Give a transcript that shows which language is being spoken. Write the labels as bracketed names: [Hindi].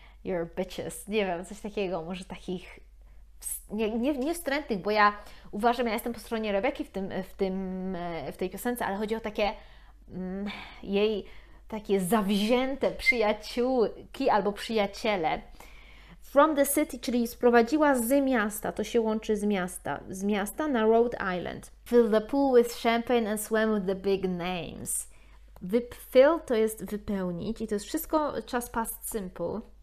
[English] Your bitches, [Polish] nie wiem, coś takiego, może takich nie wstrętnych, bo ja uważam, ja jestem po stronie Rebeki w tej piosence, ale chodzi o takie jej takie zawzięte przyjaciółki albo przyjaciele. From the city, czyli sprowadziła z miasta, to się łączy z miasta na Rhode Island. [English] Fill the pool with champagne and swim with the big names. [Polish] Fill to jest wypełnić i to jest wszystko czas past simple.